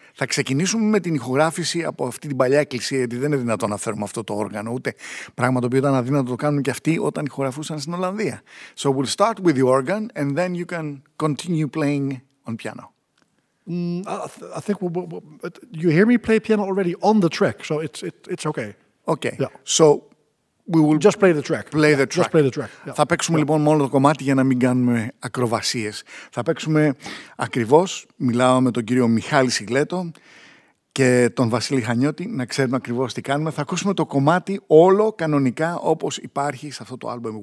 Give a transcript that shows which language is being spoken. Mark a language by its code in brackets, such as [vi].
[el] Θα ξεκινήσουμε με την ηχογράφηση από αυτή την παλιά εκκλησία, γιατί δεν είναι δυνατόν να φέρουμε αυτό το όργανο, ούτε πράγμα το οποίο ήταν αδύνατο το κάνουν και αυτοί όταν ηχογραφούσαν στην Ολλανδία. [en] So we'll start with the organ and then you can continue playing on piano. I think you hear me play piano already on the track, so it's okay. Okay. Yeah. So we will just play the track. Just play the track. [el] Θα παίξουμε λοιπόν μόνο το κομμάτι για να μην κάνουμε ακροβασίες. Θα παίξουμε ακριβώς. Μιλάω με τον κύριο Μιχάλη Σιγλέτο και τον Βασίλη Χανιώτη να ξέρουν ακριβώς τι κάνουμε. Θα ακούσουμε το κομμάτι όλο κανονικά όπως υπάρχει σε αυτό το album.